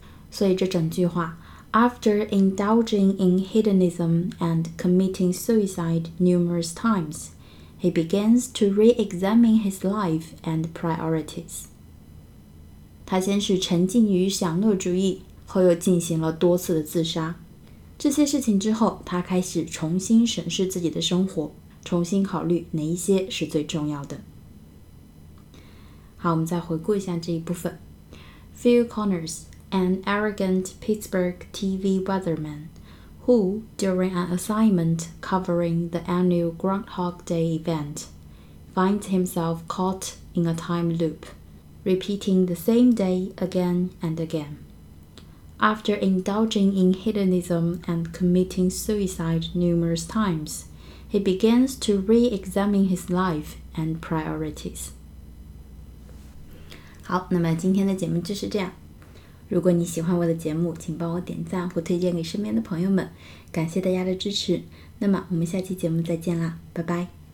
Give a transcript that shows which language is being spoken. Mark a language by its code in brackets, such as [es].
[zh] 所以这整句话， [en] After indulging in hedonism and committing suicide numerous times, he begins to re-examine his life and priorities。 [zh] 他先是沉浸于享乐主义，后又进行了多次的自杀，这些事情之后，他开始重新审视自己的生活，重新考虑哪一些是最重要的。好，我们再回顾一下这一部分。 [en] Phil Connors, an arrogant Pittsburgh TV weatherman, who, during an assignment covering the annual Groundhog Day event, finds himself caught in a time loop, repeating the same day again and again. After indulging in hedonism and committing suicide numerous times,He begins to re-examine his life and priorities. [zh] 好，那么今天的节目就是这样。如果你喜欢我的节目，请帮我点赞或推荐给身边的朋友们。感谢大家的支持。那么我们下期节目再见啦，拜拜。